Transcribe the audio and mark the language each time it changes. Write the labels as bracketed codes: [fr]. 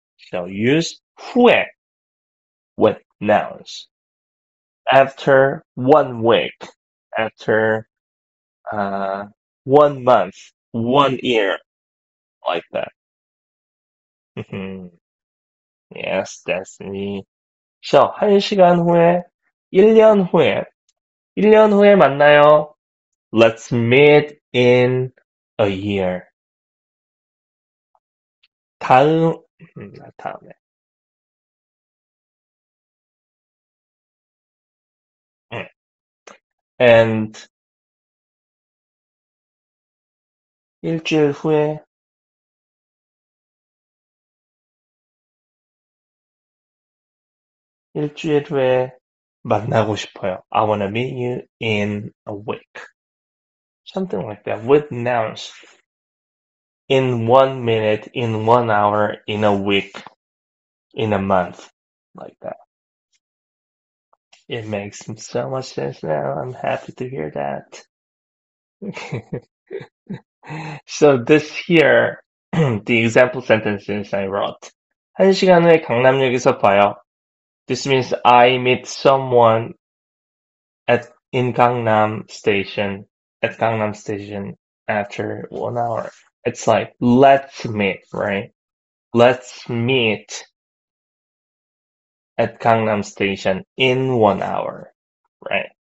[en] So use 후에 with nouns after 1 week, after 1 month, 1 year, like that. Yes, destiny. [ko] So, 1시간 후에, 1년 후에, 1년 후에 만나요. [en] Let's meet in a year. [ko] 다음에. 앤 일주일 후에 일주일 후에 만나고 싶어요. [en] I wanna meet you in a week. Something like that. With nouns. In 1 minute, in 1 hour, in a week, in a month. Like that. It makes so much sense now. I'm happy to hear that. So this here, the example sentences I wrote. [ko] 한 시간 후에 강남역에서 봐요. [en] This means I meet someone in Gangnam Station after 1 hour. It's like, let's meet, right? Let's meet at Gangnam Station in 1 hour, right?